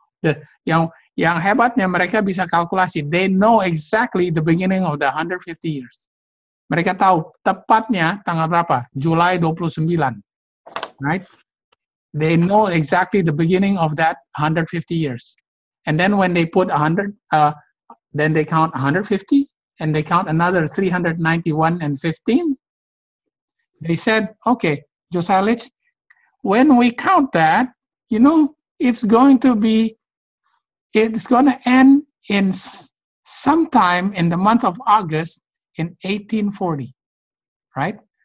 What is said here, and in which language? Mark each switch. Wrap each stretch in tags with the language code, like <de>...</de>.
<id>The yang hebatnya mereka bisa kalkulasi.</id> <en>They know exactly the beginning of the 150 years.</en> <id>Mereka tahu tepatnya tanggal berapa?</id> <en>July 29, right? They know exactly the beginning of that 150 years. And then when they put 100, then they count 150, and they count another 391 and 15. They said, okay, Josiah Litch, when we count that, you know, it's going to end in sometime in the month of August in 1840, right?</en>